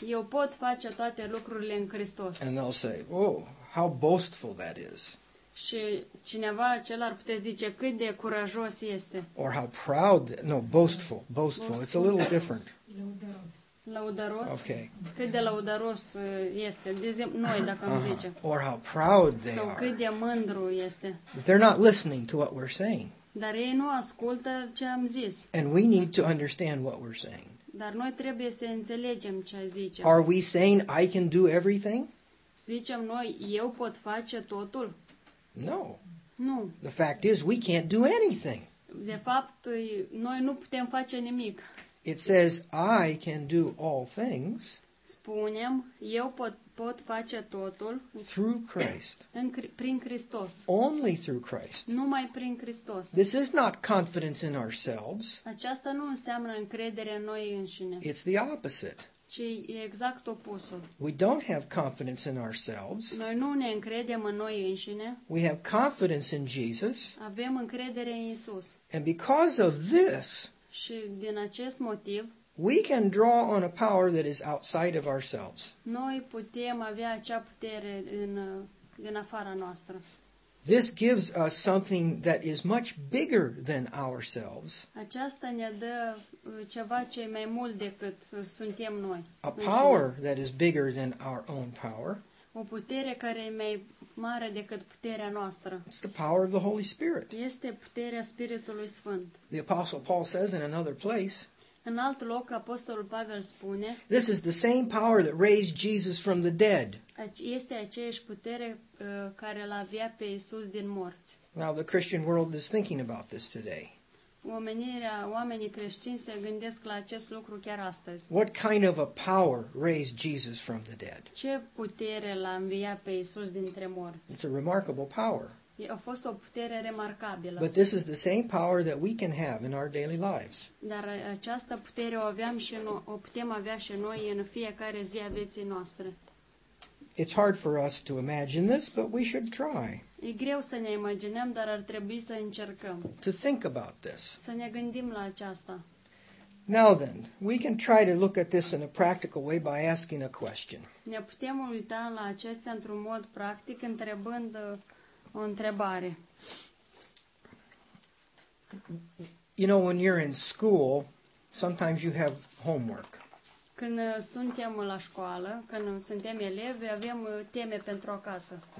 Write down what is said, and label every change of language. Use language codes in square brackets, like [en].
[ro] Eu pot face toate lucrurile în Hristos. [en] And they'll say, oh, how boastful that is. [ro] Și cineva acela ar putea zice cât de curajos este. [en] Or how proud, boastful, boastful. It's a little different. [ro] Laudaros. [en] Okay. [ro] Cât de laudaros este, de exemplu, noi dacă am zice. [en] Or how proud they are. [ro] Sau cât de mândru este. [en] They're not listening to what we're saying. [ro] Dar ei nu ascultă ce am zis. [en] And we need to understand what we're saying. [ro] Dar noi trebuie să înțelegem ce zicem. [en] Are we saying I can do everything? [ro] Zicem noi eu pot face totul? [en] No. [ro] Nu. [en] The fact is we can't do anything. [ro] De fapt noi nu putem face nimic. [en] It says, I can do all things. [ro] Spunem, eu pot face totul. [en] Through Christ. [ro] Prin Hristos. [en] Only through Christ. [ro] Numai prin Hristos. [en] This is not confidence in ourselves. [ro] Aceasta nu înseamnă încredere în noi înșine. [en] It's the opposite. [ro] Ci e exact opusul. [en] We don't have confidence in ourselves. [ro] Noi nu ne încredem în noi înșine. [en] We have confidence in Jesus. [ro] Avem încredere în Iisus. [en] And because of this, [ro] și din acest motiv, [en] we can draw on a power that is outside of ourselves. [ro] Noi putem avea acea putere din afara noastră. [en] This gives us something that is much bigger than ourselves. [ro] Aceasta ne dă ceva ce e mai mult decât suntem noi. [en] A power that is bigger than our own power. [ro] O putere care e mai mare decât puterea noastră. [en] It's the power of the Holy Spirit. [ro] Este puterea Spiritului Sfânt. [en] The Apostle Paul says in another place, [ro] în alt loc, Apostolul Pavel spune, [en] this is the same power that raised Jesus from the dead. [ro] Este aceeași putere care l-a avea pe Iisus din morți. [en] Now the Christian world is thinking about this today. [ro] Oamenii creștini se gândesc la acest lucru chiar astăzi. [en] What kind of a power raised Jesus from the dead? [ro] Ce putere l-a înviat pe Iisus dintre morți? [en] It's a remarkable power. [ro] A fost o putere remarcabilă. [en] But this is the same power that we can have in our daily lives. [ro] Dar această putere o putem avea și noi în fiecare zi a vieții noastre. [en] It's hard for us to imagine this, but we should try. [ro] E greu să ne imaginăm, dar ar trebui să încercăm. [en] To think about this. [ro] Să ne gândim la aceasta. [en] Now then, we can try to look at this in a practical way by asking a question. [ro] Ne putem uita la acestea într-un mod practic, întrebând o întrebare. [en] You know, when you're in school, sometimes you have homework. [ro] Când suntem la școală, când suntem elevi, avem teme pentru acasă.